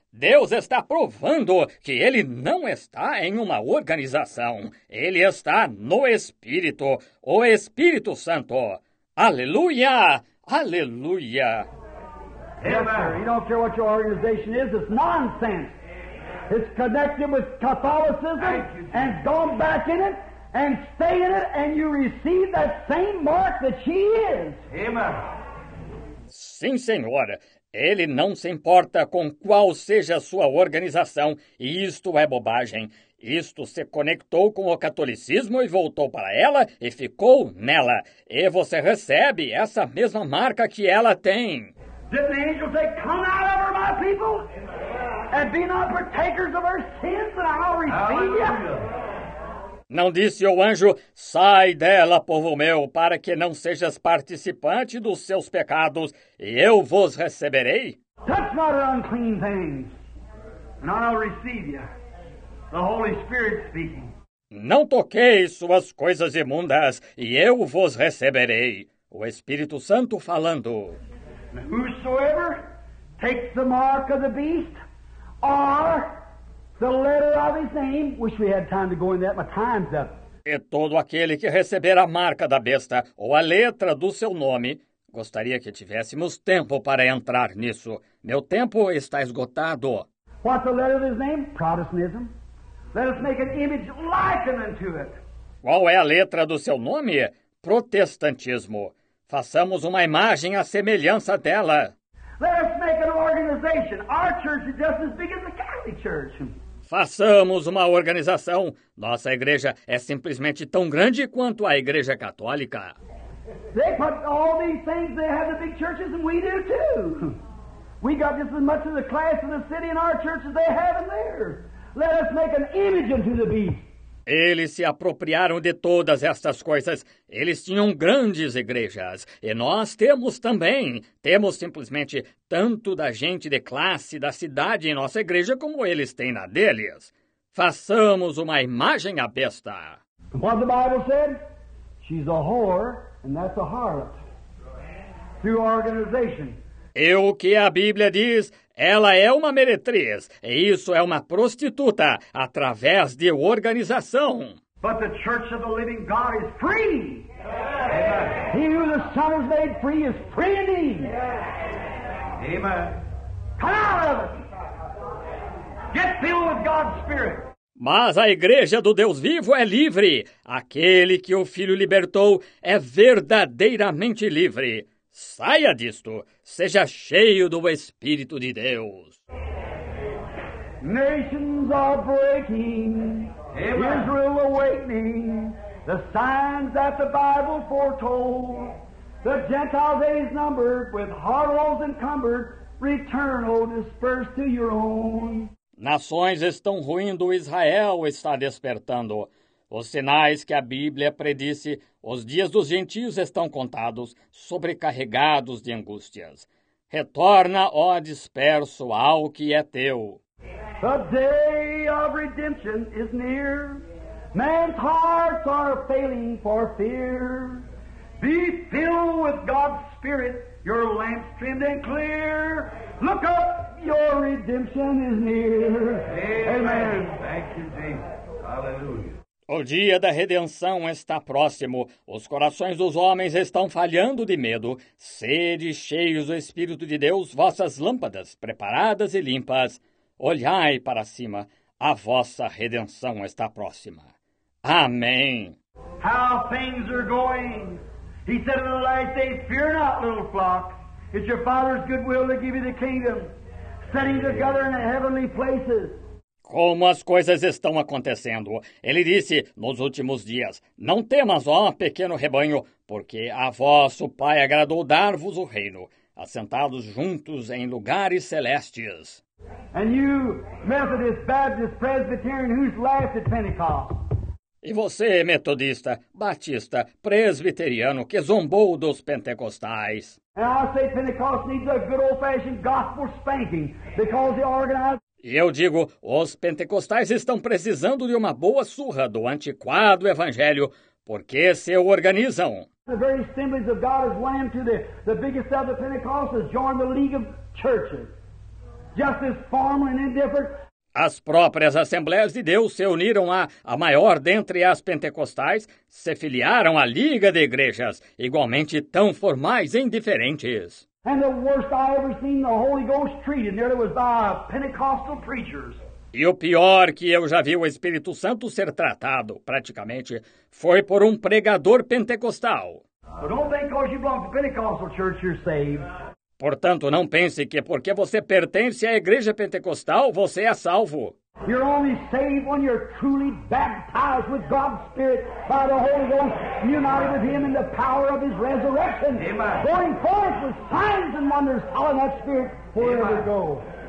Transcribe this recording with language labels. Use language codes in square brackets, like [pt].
[pt] Deus está provando que ele não está em uma organização. Ele está no Espírito, o Espírito Santo. Aleluia! Aleluia! [en] Amen. You don't care what your organization is, it's nonsense. It's connected with Catholicism and gone back in it and stay in it and you receive that same mark that she is. Amen. [pt] Sim, Senhor. Ele não se importa com qual seja a sua organização, e isto é bobagem. Isto se conectou com o catolicismo e voltou para ela e ficou nela. E você recebe essa mesma marca que ela tem. [en] Did the angel say, come out of her, my people, and be not partakers of her sins, and I'll receive you? [pt] Não disse o anjo, sai dela, povo meu, para que não sejas participante dos seus pecados, e eu vos receberei? [en] Touch not the unclean things, and I'll receive you. The Holy Spirit speaking. [pt] Não toquei suas coisas imundas, e eu vos receberei. O Espírito Santo falando. [en] Whosoever takes the mark of the beast, or the letter of his name, wish we had time to go into that, my time's up. [pt] E todo aquele que receber a marca da besta, ou a letra do seu nome, gostaria que tivéssemos tempo para entrar nisso. Meu tempo está esgotado. [en] What's the letter of his name? Protestantism. Let us make an image likened unto it. [pt] Qual é a letra do seu nome? Protestantismo. Façamos uma imagem à semelhança dela. [en] Let us make an organization. Our church is just as big as the Catholic Church. [pt] Façamos uma organização. Nossa igreja é simplesmente tão grande quanto a Igreja Católica. [en] They put all these things, they have the big churches, and we do too. We got just as much of the class of the city in our church as they have in theirs. Let us make an image unto the beast. [pt] Eles se apropriaram de todas estas coisas. Eles tinham grandes igrejas. E nós temos também. Temos simplesmente tanto da gente de classe da cidade em nossa igreja como eles têm na deles. Façamos uma imagem à besta. [en] What the Bible said? She's a whore and that's a harlot. Through organization. [pt] E o que a Bíblia diz? Ela é uma meretriz, e isso é uma prostituta, através de organização. [en] But the church of the living God is free. Yeah. Amen. He who the Son has made free is free indeed. Yeah. Amen. Come out of it. Get filled with God's Spirit. [pt] Mas a igreja do Deus vivo é livre. Aquele que o Filho libertou é verdadeiramente livre. Saia disto, seja cheio do Espírito de Deus. [en] Nations are breaking, Amen. Israel awakening, the signs that the Bible foretold, the Gentiles days numbered, with heart walls encumbered, return, O dispersed to your own. [pt] Nações estão ruindo, Israel está despertando. Os sinais que a Bíblia predisse, os dias dos gentios estão contados, sobrecarregados de angústias. Retorna, ó disperso, ao que é teu. [en] The day of redemption is near. Man's hearts are failing for fear. Be filled with God's Spirit, your lamps trimmed and clear. Look up, your redemption is near. Amen. Amen. Thank you, Jesus. Hallelujah. [pt] O dia da redenção está próximo. Os corações dos homens estão falhando de medo. Sede cheios do Espírito de Deus, vossas lâmpadas preparadas e limpas. Olhai para cima. A vossa redenção está próxima. Amém. [en] How things are going. He said in the last day, fear not, little flock. It's your Father's good will to give you the kingdom. Setting together in the heavenly places. [pt] Como as coisas estão acontecendo. Ele disse nos últimos dias, não temas, ó pequeno rebanho, porque a vosso Pai agradou dar-vos o reino, assentados juntos em lugares celestes. [en] And you, Methodist, Baptist, Presbyterian, who's last at Pentecost? [pt] E você, metodista, batista, presbiteriano, que zombou dos pentecostais. [en] And I say Pentecost needs a good old-fashioned gospel spanking, because the organized... [pt] E eu digo, os pentecostais estão precisando de uma boa surra do antiquado evangelho, porque se organizam. [en] The very assemblies of God has lamb to the biggest of the Pentecostals joined the League of Churches. Just as formal and indifferent. [pt] As próprias Assembleias de Deus se uniram à maior dentre as pentecostais, se filiaram à Liga de Igrejas, igualmente tão formais e indiferentes. [en] And the worst I ever seen the Holy Ghost treated nearly was by Pentecostal preachers. [pt] E o pior que eu já vi o Espírito Santo ser tratado, praticamente, foi por pregador pentecostal. [en] But don't think because you belong to Pentecostal church you're saved. [pt] Portanto, não pense que porque você pertence à Igreja Pentecostal, você é salvo. [en] You're only saved when you're truly baptized with God's Spirit by the Holy Ghost, united with Him in the power of His resurrection. Amen. Going forth with signs and wonders, following that Spirit wherever you go.